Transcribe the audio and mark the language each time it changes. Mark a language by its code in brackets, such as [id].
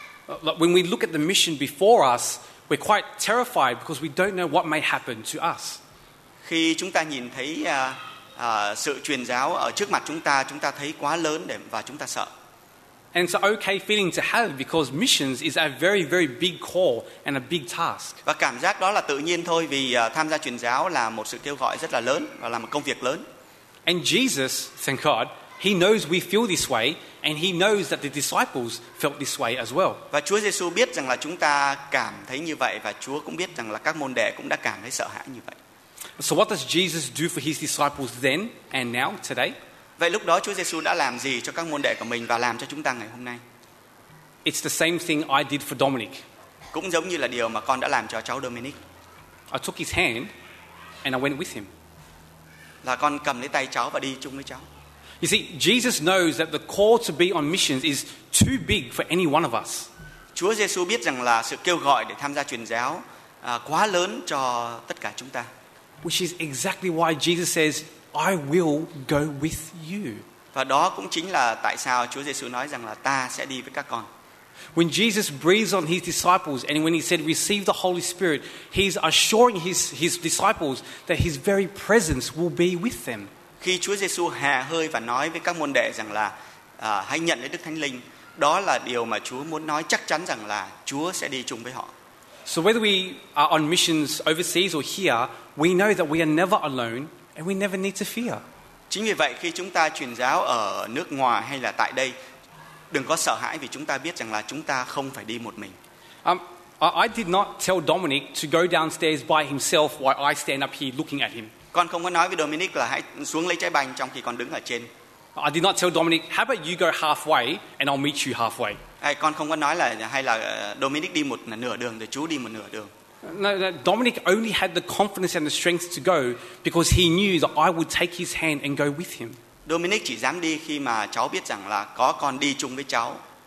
[en] When we look at the mission before us, we're quite terrified because we don't know what may happen to us. [vi] Khi chúng ta nhìn thấy sự truyền giáo ở trước mặt chúng ta thấy quá lớn và chúng ta sợ. [en] And it's an okay feeling to have because missions is a very, very big call and a big task. [vi] Và cảm giác đó là tự nhiên thôi vì tham gia truyền giáo là một sự kêu gọi rất là lớn và là một công việc lớn. [en] And Jesus, thank God, He knows we feel this way and He knows that the disciples felt this way as well. [vi] Và Chúa Giêsu biết rằng là chúng ta cảm thấy như vậy và Chúa cũng biết rằng là các môn đệ cũng đã cảm thấy sợ hãi như vậy. [en] So what does Jesus do for His disciples then and now today? [vi] Vậy lúc đó Chúa Giêsu đã làm gì cho các môn đệ của mình và làm cho chúng ta ngày hôm nay? [en] It's the same thing I did for Dominic. [vi] Cũng giống như là điều mà con đã làm cho cháu Dominic. [en] I took his hand and I went with him. [vi] Là con cầm lấy tay cháu và đi chung với cháu. [en] You see, Jesus knows that the call to be on missions is too big for any one of us. [vi] Chúa Giêsu biết rằng là sự kêu gọi để tham gia truyền giáo quá lớn cho tất cả chúng ta. [en] Which is exactly why Jesus says, "I will go with you." [vi] Và đó cũng chính là tại sao Chúa Giêsu nói rằng là ta sẽ đi với các con. [en] When Jesus breathes on his disciples and when he said, "Receive the Holy Spirit," he's assuring his disciples that his very presence will be with them. [vi] Khi Chúa Giêsu hà hơi và nói với các môn đệ rằng là hãy nhận lấy Đức Thánh Linh, đó là điều mà Chúa muốn nói chắc chắn rằng là Chúa sẽ đi chung với họ. [en] So whether we are on missions overseas or here, we know that we are never alone and we never need to fear. [vi] Chính vì vậy khi chúng ta truyền giáo ở nước ngoài hay là tại đây, đừng có sợ hãi vì chúng ta biết rằng là chúng ta không phải đi một mình. [en] I did not tell Dominic to go downstairs by himself while I stand up here looking at him. [vi] Con không có nói với Dominic là hãy xuống lấy trái banh trong khi con đứng ở trên. [en] I did not tell Dominic, how about you go halfway and I'll meet you halfway. [vi] Con không có nói là hay là Dominic đi một nửa đường rồi chú đi một nửa đường. [en] No, Dominic only had the confidence and the strength to go because he knew that I would take his hand and go with him. [vi] Dominic chỉ dám đi khi mà cháu biết rằng là có con đi chung với cháu.